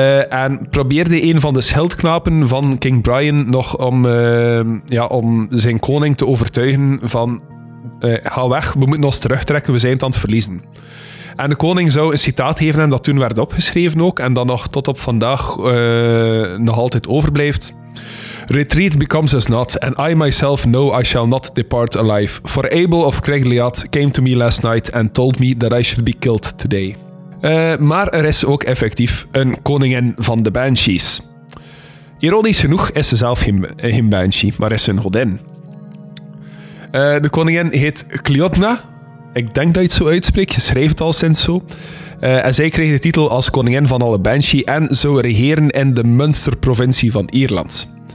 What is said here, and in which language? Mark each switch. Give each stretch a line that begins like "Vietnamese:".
Dutch: En probeerde een van de schildknapen van King Brian nog om, ja, om zijn koning te overtuigen van ga weg, we moeten ons terugtrekken, we zijn het aan het verliezen. En de koning zou een citaat geven en dat toen werd opgeschreven ook en dat nog tot op vandaag nog altijd overblijft.
English: Retreat becomes us not, and I myself know I shall not depart alive. For Abel of Cregliat came to me last night and told me that I should be killed today.
Dutch: Maar er is ook effectief een koningin van de Banshees. Ironisch genoeg is ze zelf geen Banshee, maar is ze een godin. De koningin heet Cliodna. Ik denk dat je het zo uitspreekt, je schrijft het al sinds zo. En zij kreeg de titel als koningin van alle Banshee en zou regeren in de Munster-provincie van Ierland.